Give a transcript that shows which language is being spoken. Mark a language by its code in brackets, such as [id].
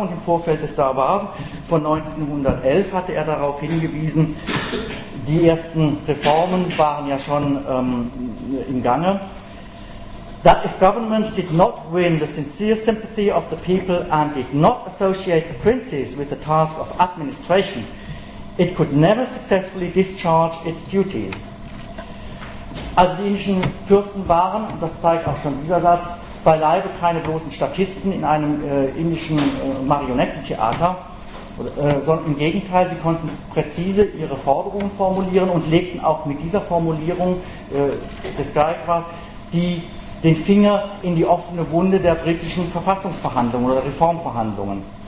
[de] Und im Vorfeld des Darbar von 1911 hatte er darauf hingewiesen, die ersten Reformen waren ja schon im Gange. [en] That if government did not win the sincere sympathy of the people and did not associate the princes with the task of administration, it could never successfully discharge its duties. [de] Also die indischen Fürsten waren, und das zeigt auch schon dieser Satz, beileibe keine bloßen Statisten in einem indischen Marionettentheater, sondern im Gegenteil, sie konnten präzise ihre Forderungen formulieren und legten auch mit dieser Formulierung des Gaikwad den Finger in die offene Wunde der britischen Verfassungsverhandlungen oder Reformverhandlungen.